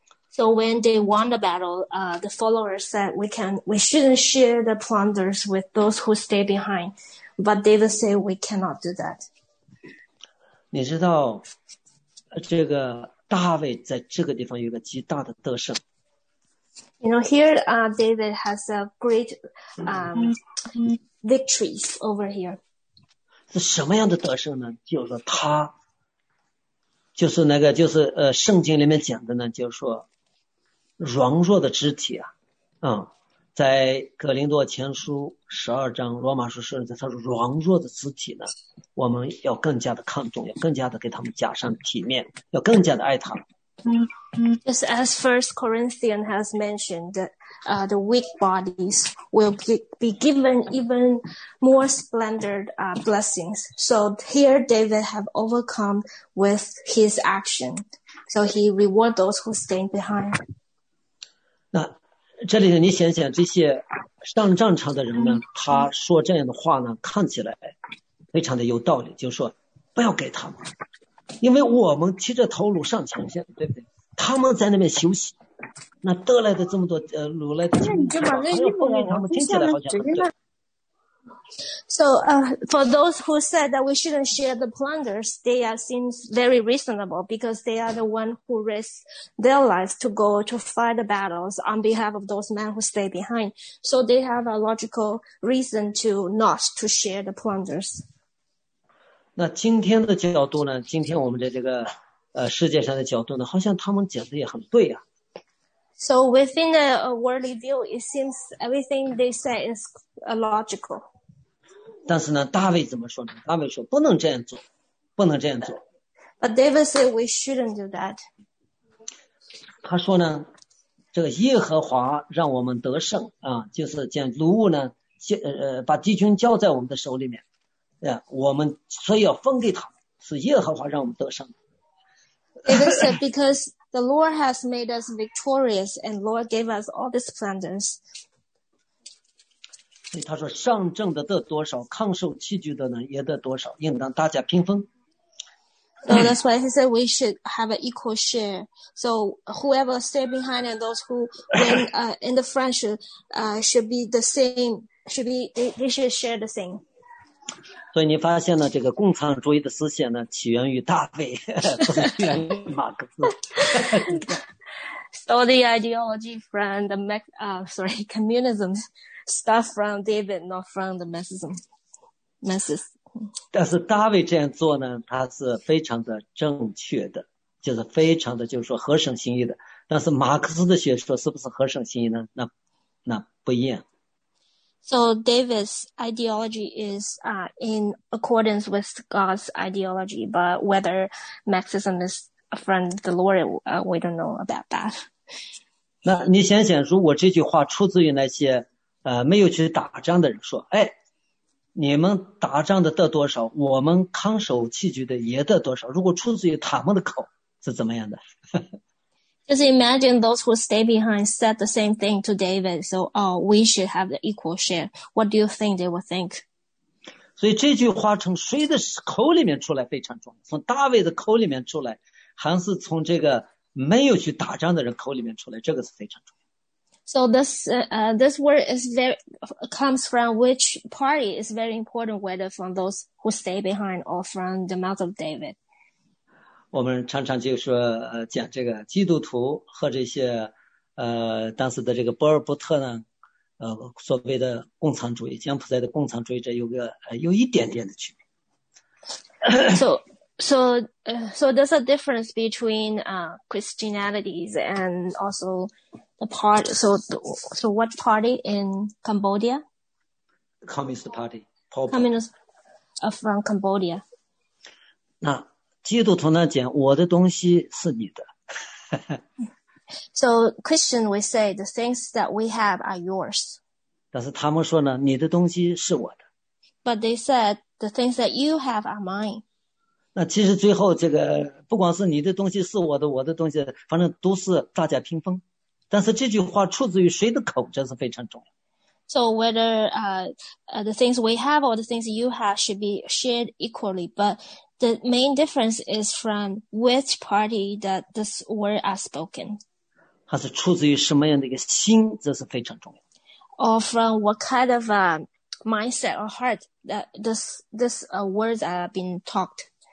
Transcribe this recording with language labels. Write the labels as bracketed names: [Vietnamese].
[English] So when they won the battle, the followers said we shouldn't share the plunders with those who stay behind, but David said we cannot do that. [Chinese] 你知道，这个大卫在这个地方有个极大的得胜。 [English] You know, here, David has a great, victories over here. [Chinese] 是什么样的得胜呢？就是他，就是那个，就是圣经里面讲的呢，就是说，软弱的肢体啊，在哥林多前书十二章、罗马书十二章，他说软弱的肢体呢，我们要更加的看重，要更加的给他们加上体面，要更加的爱他。 [English] Just as First Corinthians has mentioned, the weak bodies will be given even more splendor blessings. So here David have overcome with his action. So he reward those who stay behind. [Chinese] 那这里你想想这些上战场的人呢，他说这样的话呢，看起来非常的有道理，就是说不要给他们。因为我们提着头颅上前线，对不对？他们在那边休息，那得来的这么多掳来的，那你就把那衣服给他们，听起来好像。 [English] So, for those who said that we shouldn't share the plunders, they are seems very reasonable because they are the one who risk their lives to go to fight the battles on behalf of those men who stay behind. So they have a logical reason to not to share the plunders. [Chinese] 那今天的角度呢，今天我们的这个世界上的角度呢，好像他们讲的也很对啊。 [English] So within a worldly view, it seems everything they say is logical. [Chinese] 但是呢大卫怎么说呢，大卫说不能这样做，不能这样做。 [English] But David said we shouldn't do that. [Chinese] 他说呢这个耶和华让我们得胜啊，就是将掳物呢把敌军交在我们的手里面。 Yeah, 我们所以要分给他，是耶和华让我们得胜。 [English] It is said because the Lord has made us victorious, and Lord gave us all these plunders. [Chinese] 所以他说，上阵的得多少，抗受器具的呢也得多少，应当大家平分。 [English] So that's why he said we should have an equal share. So whoever stay behind and those who win in the front should be the same. Should be they should share the same. [Chinese] 所以你发现呢，这个共产主义的思想呢，起源于大卫，不是起源于马克思。 [English] So the ideology from the communism starts from David, not from the Marxism. [Chinese] 但是大卫这样做呢，他是非常的正确的，就是非常的就是说合神心意的。但是马克思的学说是不是合神心意呢？那不一样。 [English] So David's ideology is in accordance with God's ideology, but whether Marxism is from the Lord, we don't know about that. [Chinese] 那你想想，如果这句话出自于那些没有去打仗的人说，哎，你们打仗的得多少，我们看守器具的也得多少，如果出自于他们的口是怎么样的？ [English] Just imagine those who stay behind said the same thing to David. So, we should have the equal share. What do you think they would think? [Chinese] 所以这句话从谁的口里面出来非常重要，从大卫的口里面出来，还是从这个没有去打仗的人口里面出来，这个是非常重要。 [English] So this word is comes from which party is very important, whether from those who stay behind or from the mouth of David. [Chinese] 我们常常就说讲这个基督徒和这些当时的这个波尔布特呢，所谓的共产主义，柬埔寨的共产主义者有一点点的区别。 [English] So there's a difference between Christianity and also the party. So what party in Cambodia? Communist Party. Paul. Communist from Cambodia. [Chinese] 那基督徒呢讲我的东西是你的。 [English] So Christian, we say the things that we have are yours. [Chinese] 但是他们说呢你的东西是我的。 [English] But they said the things that you have are mine. [Chinese] 那其实最后这个不管是你的东西是我的，我的东西反正都是大家平分。但是这句话出自于谁的口真是非常重要。 [English] So whether the things we have or the things you have should be shared equally, butThe main difference is from which party that this word are spoken. [Chinese] 它是出自于什么样的一个心，这是非常重要。 [English] Or from what kind of a mindset or heart that this words are being talked.